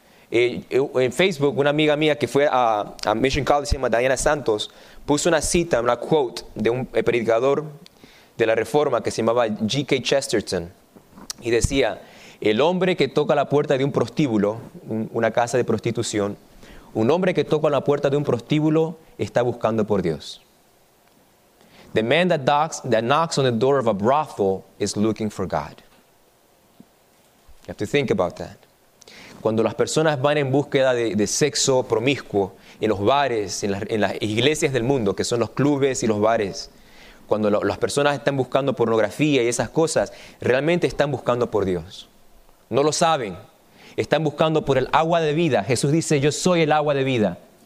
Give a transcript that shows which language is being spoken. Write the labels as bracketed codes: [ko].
[es] En Facebook, una amiga mía que fue a Mission College, se llama Diana Santos, puso una cita, una quote de un predicador de la Reforma que se llamaba G.K. Chesterton, y decía: el hombre que toca la puerta de un prostíbulo, una casa de prostitución, un hombre que toca la puerta de un prostíbulo está buscando por Dios. [en] The man that knocks on the door of a brothel is looking for God. You have to think about that. [es] Cuando las personas van en búsqueda de sexo promiscuo en los bares, en las iglesias del mundo, que son los clubes y los bares, cuando las personas están buscando pornografía y esas cosas, realmente están buscando por Dios. No lo saben. Están buscando por el agua de vida. Jesús dice: yo soy el agua de vida.